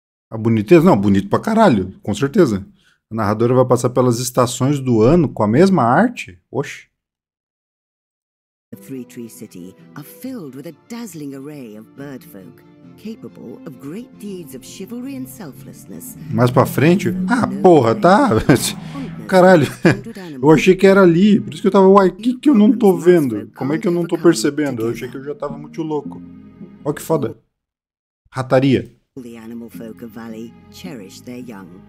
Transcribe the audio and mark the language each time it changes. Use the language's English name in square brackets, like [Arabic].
[Portuguese] A boniteza? Não, bonito pra caralho, com certeza. A narradora vai passar pelas estações do ano com a mesma arte? Oxe. [English] The Three Tree City are filled with a dazzling array of bird folk. Capable of great deeds of chivalry and selflessness. [Portuguese] Mais pra frente? Ah, porra, tá? Caralho, eu achei que era ali. Por isso que eu tava, uai, o que eu não tô vendo? Como é que eu não tô percebendo? Eu achei que eu já tava muito louco. Olha que foda. Rataria. [English] The animal folk of Valley cherish their young.